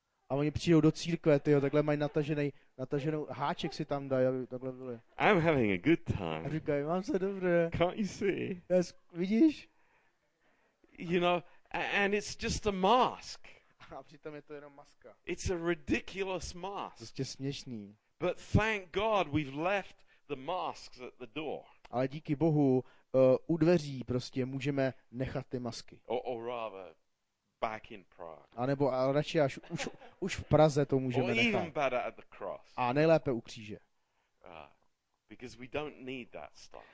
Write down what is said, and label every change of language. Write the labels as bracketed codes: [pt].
[cs] A oni přijdou do církve, tyjo, takhle mají nataženou háček si tam dají, aby takhle byli. [en] I'm having a good time. [cs] A říkají, mám se dobře. [en] Can't you see? [cs] Yes, vidíš? [en] You know, and it's just a mask. [cs] A přitom je to jenom maska. [en] It's a ridiculous mask. [cs] Prostě směšný. [en] But thank God we've left the masks at the door. [cs] Ale díky Bohu, u dveří prostě můžeme nechat ty masky. [en] Or rather, back in Prague. [cs] A nebo radši až už v Praze to můžeme [en] or [cs] nechat. [en] Even better at the cross. [cs] A nejlépe u kříže. [en] Because we don't need that stuff.